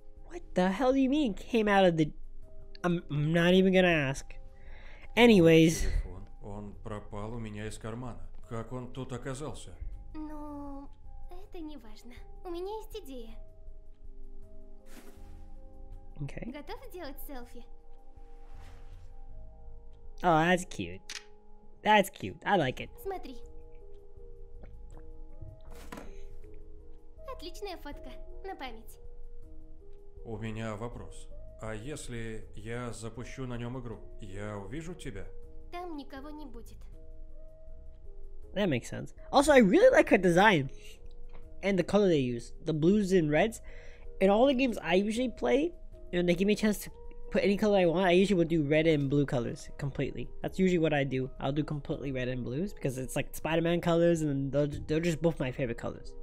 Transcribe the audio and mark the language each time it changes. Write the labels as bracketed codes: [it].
[en] What the hell do you mean came out of the... I'm not even gonna ask. Anyways... [ru] Телефон. Он пропал у меня из кармана. Как он тут оказался? Ну, это не важно. У меня есть идея. [en] Okay. [ru] Готов сделать селфи? [en] Oh, that's cute. That's cute. I like it. [ru] Смотри. Отличная фотка. На память. У меня вопрос. А если я запущу на нем игру, я увижу тебя? Там никого не будет. [en] That makes sense. Also, I really like her design and the color they use, the blues and reds. In all the games I usually play, you know, they give me a chance to put any color I want. I usually would do red and blue colors completely. That's usually what I do. I'll do completely red and blues because it's like Spider-Man colors, and they're just both my favorite colors.